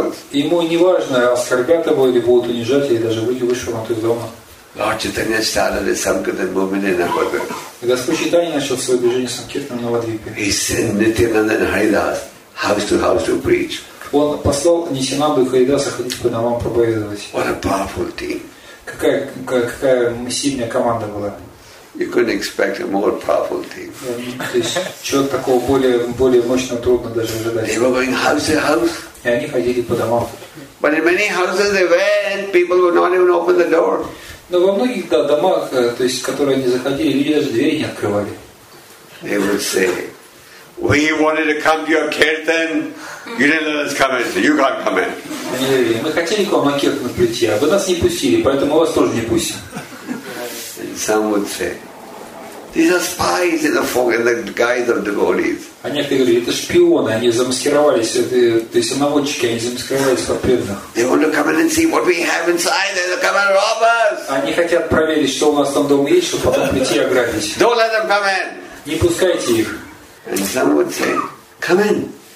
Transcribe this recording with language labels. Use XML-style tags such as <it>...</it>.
<ru>Ему не важно, оскорбят его или будут унижать, или даже выйти вышвырнуты из дома.</ru> <en>Lord Chaitanya started his Sankirtan movement in Navadvipa.</en> <ru>Господь Чайтанья начал свое движение Санкиртан в Навадвипе.</ru> <en>He sent Nityananda and Haridas house to preach.</en> <ru>Он послал Нитянанду и Харидаса ходить по домам проповедовать.</ru> <en>What a powerful team.</en> <ru>Какая сильная команда была.</ru> <en>You couldn't expect a more powerful team.</en> <ru>Чего такого более мощного трудно даже ожидать.</ru> <en>They were going house to house.</en> <ru>И они ходили по домам.</ru> <en>But in many houses they went, people would not even open the door.</en> <ru>Но во многих домах, то есть, которые они заходили, люди даже двери не открывали.</ru> <en>They would say, we wanted to come to your kirtan, you didn't let us come in, so you can't come in.</en> <ru>Мы хотели к вам на киртан прийти, а вы нас не пустили, поэтому вас тоже не пустим.</ru> <en>Some would say, these are spies in the form and the guise of devotees.</en> <ru>А некоторые говорили, это шпионы, они замаскировались, то есть наводчики, они замаскировались под преданных.</ru> <en>They want to come in and see what we have inside, they'll come and rob us.</en> <ru>Они хотят проверить, что у нас там дома есть, чтобы потом прийти и ограбить.</ru> <en>Don't let them come in.</en> <ru>Не пускайте их.</ru> <en>And some would say, come in,</en>